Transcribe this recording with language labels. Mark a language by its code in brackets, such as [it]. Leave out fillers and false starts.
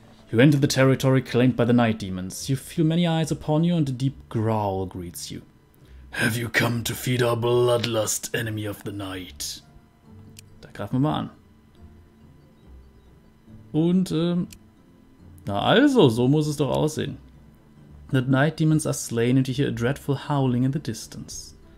[en] You enter the territory claimed by the Night Demons. You feel many eyes upon you and a deep growl greets you. Have you come to feed our bloodlust, enemy of the night? [de] Da greifen wir mal an. Und, na also, so muss es doch aussehen. [en] The Night Demons are slain and you hear a dreadful howling in the distance.